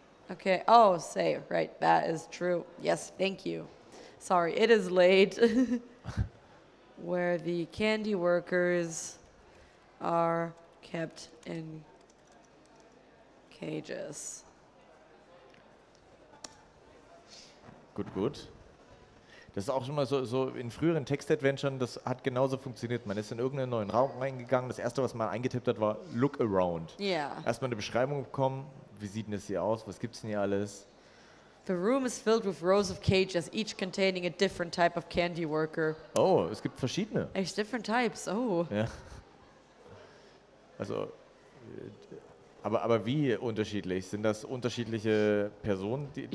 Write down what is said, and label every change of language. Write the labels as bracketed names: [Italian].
[English] Okay, right, that is true. Yes, thank you. Sorry, it is late. Where the candy workers are kept in cages. [German] Gut. Das ist auch schon mal so in früheren Text-Adventuren, das hat genauso funktioniert. Man ist in irgendeinen neuen Raum reingegangen, das Erste, was man eingetippt hat, war Look Around. [English] Yeah. [German] Erstmal eine Beschreibung bekommen, wie sieht denn das hier aus, was gibt's denn hier alles? [English] The room is filled with rows of cages, each containing a different type of candy worker. [German] Oh, es gibt verschiedene. [English] There's different types, oh. [German] Ja. Also, aber wie unterschiedlich? Sind das unterschiedliche Personen,